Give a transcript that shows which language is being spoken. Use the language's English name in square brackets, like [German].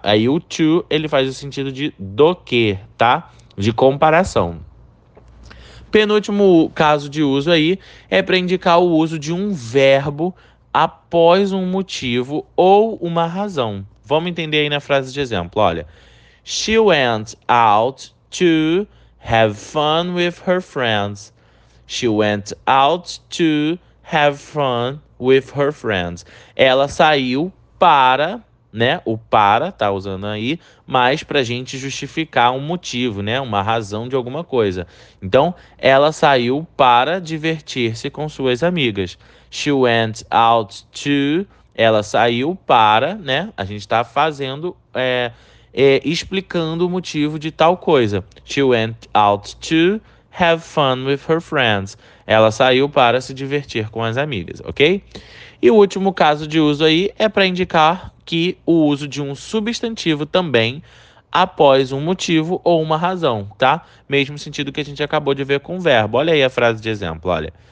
[Portuguese] Aí o to, ele faz o sentido de do que, tá? De comparação. Penúltimo caso de uso aí é para indicar o uso de um verbo após um motivo ou uma razão. Vamos entender aí na frase de exemplo, olha. [English] She went out to have fun with her friends. She went out to have fun with her friends. [Portuguese] Ela saiu para, né? O para tá usando aí, mas para a gente justificar um motivo, né? Uma razão de alguma coisa. Então, ela saiu para divertir-se com suas amigas. [English] She went out to. [Portuguese] Ela saiu para, né? A gente está fazendo, explicando o motivo de tal coisa. [English] She went out to have fun with her friends. [Portuguese] Ela saiu para se divertir com as amigas, ok? E o último caso de uso aí é para indicar que o uso de um substantivo também após um motivo ou uma razão, tá? Mesmo sentido que a gente acabou de ver com o verbo. Olha aí a frase de exemplo, olha.